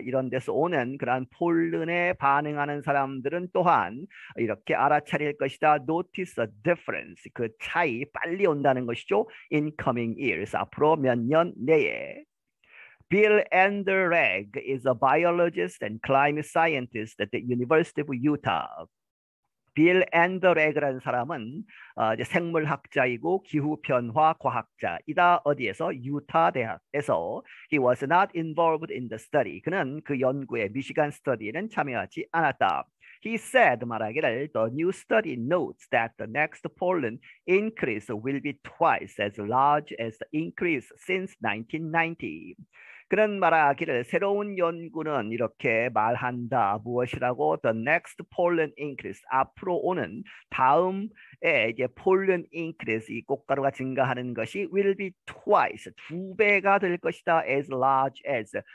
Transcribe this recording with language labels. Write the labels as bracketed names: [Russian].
[Korean] 이런 데서 오는 그러한 폴른에 반응하는 사람들은 또한 이렇게 알아차릴 것이다. [English] Notice a difference. [Korean] 그 차이 빨리 온다는 것이죠. [English] In coming years. [Korean] 앞으로 몇 년 내에. [English] Bill Anderegg is a biologist and climate scientist at the University of Utah. [Korean] 빌 앤더레그라는 사람은 이제 생물학자이고 기후변화 과학자이다. 어디에서? 유타 대학에서. [English] He was not involved in the study. [Korean] 그는 그 연구의 미시간 스터디에는 참여하지 않았다. [English] He said, [Korean] 말하기를, [English] the new study notes that the next pollen increase will be twice as large as the increase since 1990. [Korean] 그는 말하기를 새로운 연구는 이렇게 말한다. 무엇이라고? [English] The next pollen increase. [Korean] 앞으로 오는 다음에 이제 pollen increase. 이 꽃가루가 증가하는 것이 [English] will be twice. [Korean] 두 배가 될 것이다. [English] As large as.